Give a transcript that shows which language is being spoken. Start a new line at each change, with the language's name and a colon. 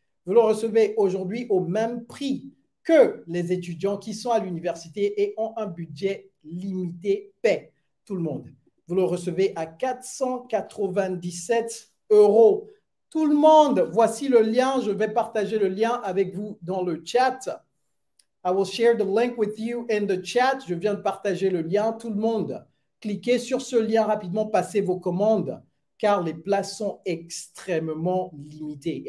French: Vous le recevez aujourd'hui au même prix que les étudiants qui sont à l'université et ont un budget limité, paie tout le monde. Vous le recevez à 497 euros. Tout le monde, voici le lien. Je vais partager le lien avec vous dans le chat.
English: I will share the link with you in the chat.
French: Je viens de partager le lien, tout le monde. Cliquez sur ce lien rapidement, passez vos commandes, car les places sont extrêmement limitées.